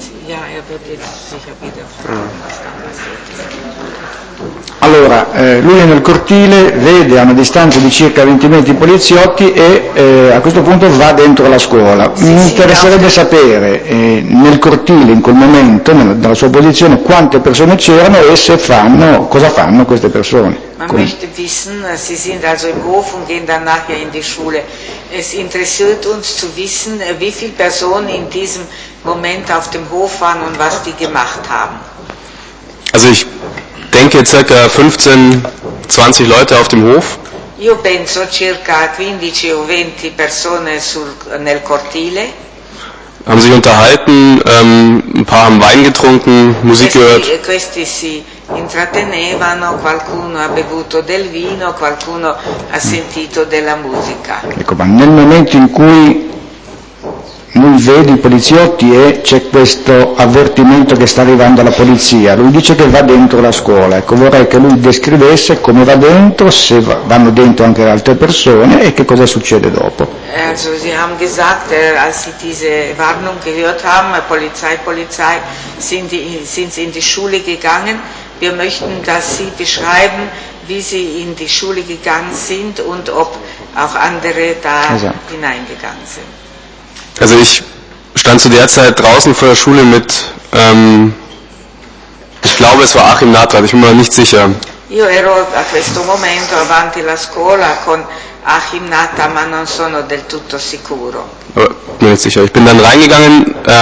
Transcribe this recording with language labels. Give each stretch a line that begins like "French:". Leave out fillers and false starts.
German: Ja, wird jetzt sicher wieder.
Italian: Allora, lui è nel cortile, vede a una distanza di circa 20 metri i poliziotti e a questo punto va dentro la scuola. Sì, mi interesserebbe sapere nel cortile, in quel momento, nella sua posizione, quante persone c'erano e se fanno, cosa fanno queste persone. Man Come?
German: Möchte wissen, sie sind also im Hof und gehen dann nachher in die Schule. Es interessiert uns zu wissen, wie viele Personen in diesem Moment auf dem Hof waren und was die gemacht haben. Also ich denke circa 15, 20 Leute auf dem Hof.
Italian: Io penso circa 15 o 20 persone nel cortile.
German: Haben sich unterhalten, ein paar haben Wein getrunken, Musik gehört.
Italian: Questi si intrattenevano, qualcuno ha bevuto del vino, qualcuno ha sentito della musica. Ecco, ma nel momento in cui lui vede i poliziotti e c'è questo avvertimento che sta arrivando alla polizia, lui dice che va dentro la scuola, ecco, vorrei che lui descrivesse come va dentro, se vanno dentro anche altre persone e che cosa succede dopo.
German: Also, sie haben gesagt, als sie diese Warnung gehört haben, Polizei, sind sie in die Schule gegangen. Wir möchten, dass Sie beschreiben, wie Sie in die Schule gegangen sind und ob auch andere da also hineingegangen sind. Also ich stand zu der Zeit draußen vor der Schule mit, ich glaube, es war Achim Natrat, ich bin mir nicht sicher.
Italian: Io ero a questo momento avanti la scuola con Achim Natta, ma non sono del tutto sicuro.
German: Ich bin dann reingegangen.